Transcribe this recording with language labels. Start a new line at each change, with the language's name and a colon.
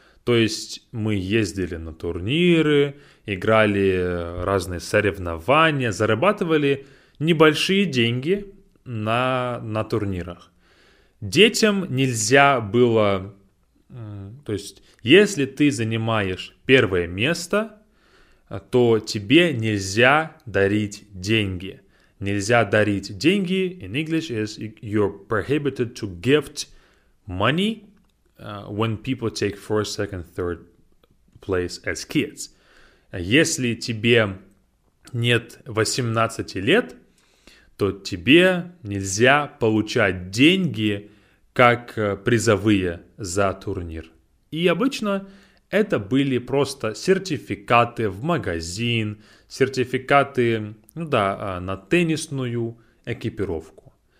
Russian: То есть мы ездили на турниры, играли разные соревнования, зарабатывали небольшие деньги на турнирах. Детям нельзя было... То есть, если ты занимаешь первое место, то тебе нельзя дарить деньги. Нельзя дарить деньги.
English: In English is you're prohibited to gift money when people take first, second, third place as kids.
Russian: Если тебе нет 18 лет, то тебе нельзя получать деньги как призовые за турнир. И обычно это были просто сертификаты в магазин, сертификаты, ну да, на теннисную экипировку.